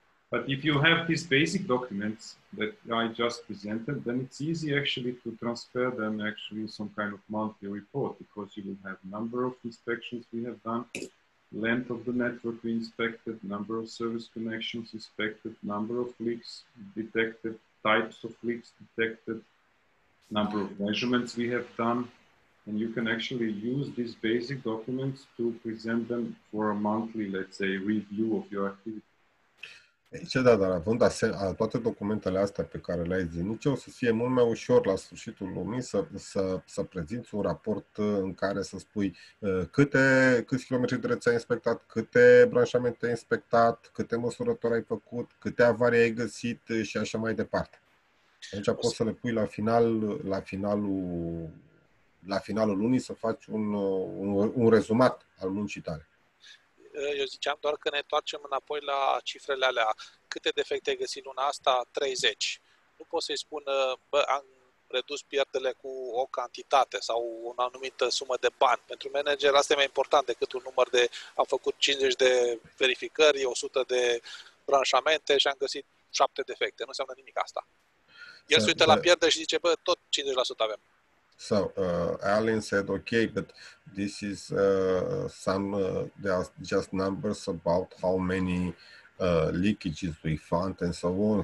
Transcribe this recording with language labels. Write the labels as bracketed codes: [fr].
[en] But if you have these basic documents that I just presented, then it's easy actually to transfer them actually some kind of monthly report, because you will have number of inspections we have done, length of the network we inspected, number of service connections inspected, number of leaks detected, types of leaks detected, number of measurements we have done, and you can actually use these basic documents to present them for a monthly, let's say, review of your activity. [ro] Aici, da, dar având toate documentele astea pe care le ai zilnice, o să fie mult mai ușor la sfârșitul lumii să prezinți un raport în care să spui câți kilometri de rețea ai inspectat, câte branșamente ai inspectat, câte măsurători ai făcut, câte avarii ai găsit și așa mai departe. Deci poți să le pui la final, la finalul lunii, să faci un rezumat al muncii tale. Eu ziceam doar că ne întoarcem înapoi la cifrele alea. Câte defecte ai găsit luna asta? 30. Nu poți să-i spun, bă, am redus pierderile cu o cantitate sau o anumită sumă de bani. Pentru manager asta e mai important decât un număr de, am făcut 50 de verificări, 100 de branșamente și am găsit 7 defecte. Nu înseamnă nimic asta. El se uită la pierdere și zice, bă, tot 50% avem. [en] So, Alan said, okay, but this is there are just numbers about how many leakages we found and so on.